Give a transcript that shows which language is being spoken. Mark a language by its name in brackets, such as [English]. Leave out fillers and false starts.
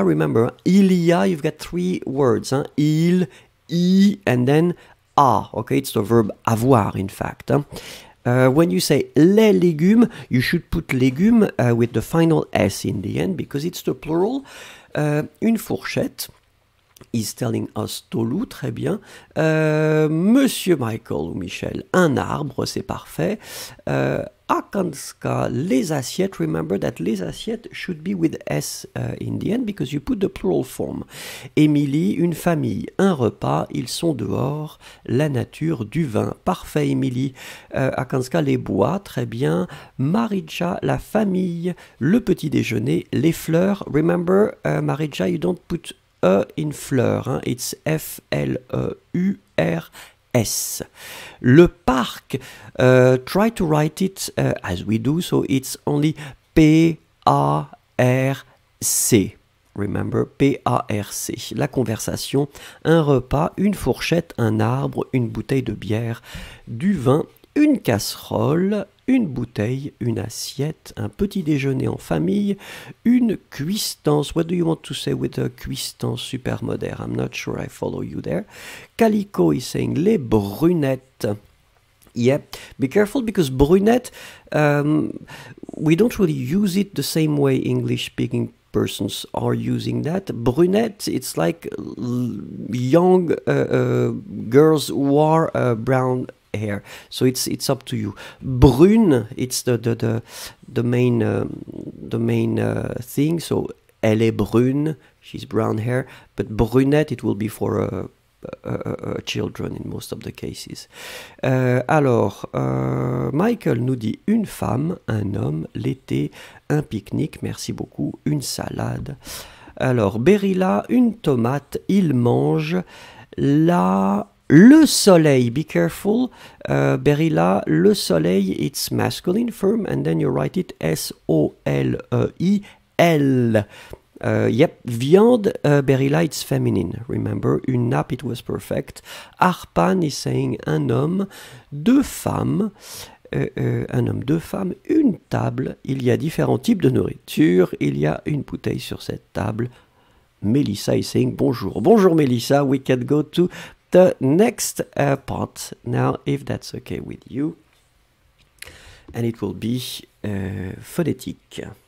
[English] Remember, il y a, you've got three words. Hein? Il, I, and then a. Okay, it's the verb avoir, in fact. Hein? When you say les légumes, you should put légumes with the final S in the end, because it's the plural. [French] Une fourchette. [English] Is telling us Tolu, [French] très bien. Monsieur Michael ou Michel, un arbre, c'est parfait. [English] Akanska, les assiettes, remember that les assiettes should be with S in the end because you put the plural form. [French] Émilie, une famille, un repas, ils sont dehors, la nature, du vin. Parfait, Émilie. Akanska, les bois, très bien. Maridja, la famille, le petit déjeuner, les fleurs. [English] Remember, Maridja, you don't put E in fleur, hein? It's F-L-E-U-R-S. Le parc, try to write it as we do, so it's only P-A-R-C. Remember, P-A-R-C. [French] La conversation, un repas, une fourchette, un arbre, une bouteille de bière, du vin, une casserole, une bouteille, une assiette, un petit déjeuner en famille, une cuistance. [English] What do you want to say with a cuistance super moderne? I'm not sure I follow you there. Calico is saying les brunettes. Yeah, be careful because brunette, we don't really use it the same way English speaking persons are using that. Brunette, it's like young girls who are brown hair, so it's up to you. Brune, it's the main thing. So [French] elle est brune, [English] she's brown hair, but brunette, it will be for a children in most of the cases. [French] Alors Michael nous dit une femme, un homme, l'été, un pique-nique, merci beaucoup, une salade. Alors Berilla, une tomate, il mange la. [English] Le soleil, be careful, Berilla, le soleil, it's masculine form, and then you write it S-O-L-E-I-L. Yep, viande, Berilla, it's feminine, remember, une nappe, it was perfect. [French] Arpan is saying un homme, deux femmes, un homme, deux femmes, une table, il y a différents types de nourriture, il y a une bouteille sur cette table. [English] Mélissa is saying bonjour. [French] Bonjour Mélissa, [English] we can go to the next part now, if that's okay with you, and it will be phonétique.